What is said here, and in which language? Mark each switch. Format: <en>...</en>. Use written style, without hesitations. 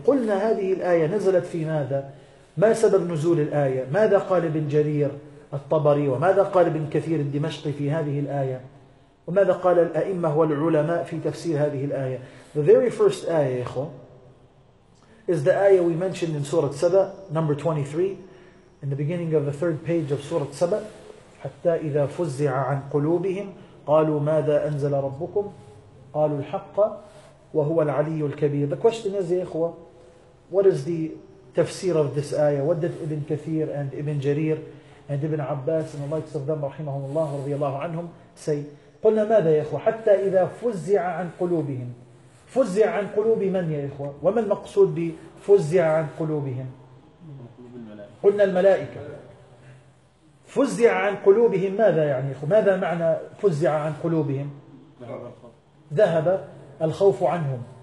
<ar>قلنا هذه الآية نزلت في ماذا؟ ما سبب نزول الآية؟ ماذا قال ابن جرير الطبري وماذا قال ابن كثير الدمشقي في هذه الآية؟ وماذا قال الأئمة والعلماء في تفسير هذه الآية؟</ar> <en>The very first ayah, إخوة, is the ayah we mentioned in Surah Saba, number 23, in the beginning of the third page of Surah Saba.</en> <ar>حتى إذا فزع عن قلوبهم قالوا ماذا أنزل ربكم؟ قالوا الحق وهو العلي الكبير.</ar> <en>The question is,</en> <ar>إخوة,</ar> <en>what is the tafsir of this ayah? What did Ibn Kathir and Ibn Jarir and Ibn Abbas and the likes of them,</en> <ar>رحمهم الله ورضي الله عنهم,</ar> <en>say?</en> <ar>قلنا ماذا يا إخوة؟ حتى إذا فزع عن قلوبهم. فزع عن قلوب من يا إخوة؟ وما المقصود بفزع عن قلوبهم؟ قلنا الملائكة. فزع عن قلوبهم ماذا يعني إخوة؟ ماذا معنى فزع عن قلوبهم؟ ذهب الخوف عنهم.</ar>